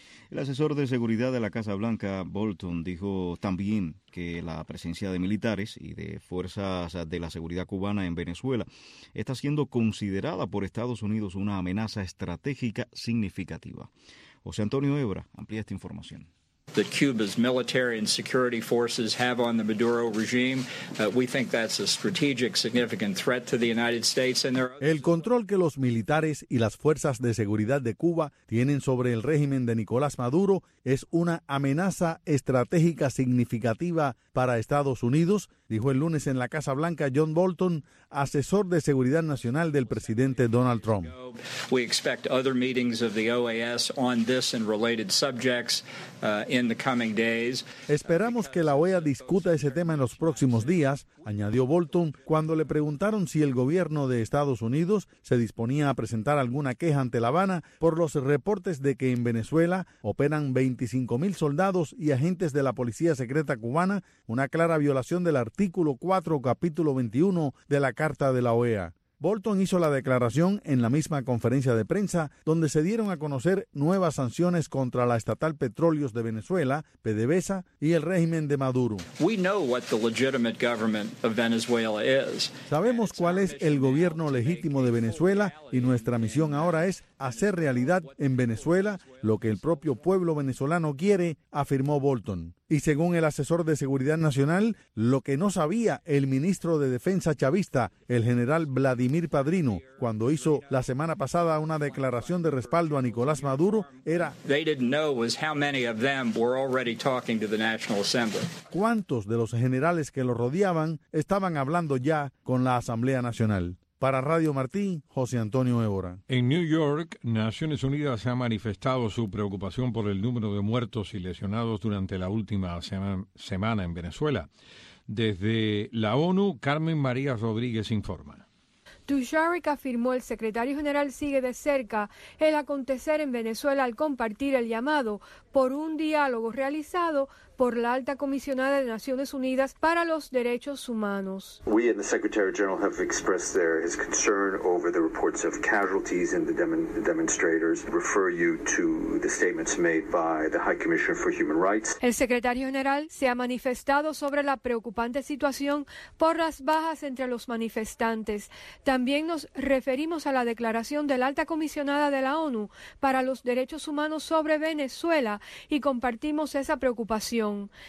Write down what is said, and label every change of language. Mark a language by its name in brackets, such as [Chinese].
[Spanish] El asesor de seguridad de la Casa Blanca, Bolton, dijo también que la presencia de militares y de fuerzas de la seguridad cubana en Venezuela está siendo considerada por Estados Unidos una amenaza estratégica significativa. José Antonio Ebra amplía esta información. [English] That Cuba's military and security forces have on the Maduro regime, we think that's a strategic significant threat to the United States and their. [Spanish] El control que los militares y las fuerzas de seguridad de Cuba tienen sobre el régimen de Nicolás Maduro es una amenaza estratégica significativa para Estados Unidos, dijo el lunes en la Casa Blanca John Bolton, asesor de seguridad nacional del presidente Donald Trump. [English] We expect other meetings of the OAS on this and related subjects. In the coming days. [Spanish] Esperamos que la OEA discuta ese tema en los próximos días, añadió Bolton cuando le preguntaron si el gobierno de Estados Unidos se disponía a presentar alguna queja ante La Habana por los reportes de que en Venezuela operan 25.000 soldados y agentes de la policía secreta cubana, una clara violación del artículo 4, capítulo 21 de la Carta de la OEA. Bolton hizo la declaración en la misma conferencia de prensa, donde se dieron a conocer nuevas sanciones contra la estatal Petróleos de Venezuela, PDVSA, y el régimen de Maduro. [English] We know what the legitimate government of Venezuela is. [Spanish] Sabemos cuál es el gobierno legítimo de Venezuela y nuestra misión ahora es hacer realidad en Venezuela lo que el propio pueblo venezolano quiere, afirmó Bolton. Y según el asesor de seguridad nacional, lo que no sabía el ministro de defensa chavista, el general Vladimir Padrino, cuando hizo la semana pasada una declaración de respaldo a Nicolás Maduro, era [English] they didn't know was how many of them were already talking to the National Assembly. [Spanish] ¿Cuántos de los generales que lo rodeaban estaban hablando ya con la Asamblea Nacional? Para Radio Martí, José Antonio Évora. En New York, Naciones Unidas ha manifestado su preocupación por el número de muertos y lesionados durante la última semana en Venezuela. Desde la ONU, Carmen María Rodríguez informa. Dujarric afirmó el secretario general sigue de cerca el acontecer en Venezuela al compartir el llamado por un diálogo realizado por la alta comisionada de Naciones Unidas para los Derechos Humanos. [English] We and the Secretary General have expressed his concern over the reports of casualties in the demonstrators. Refer you to the statements made by the High Commissioner for Human Rights. [Spanish] El secretario general se ha manifestado sobre la preocupante situación por las bajas entre los manifestantes. También nos referimos a la declaración de la alta comisionada de la ONU para los Derechos Humanos sobre Venezuela y compartimos esa preocupación.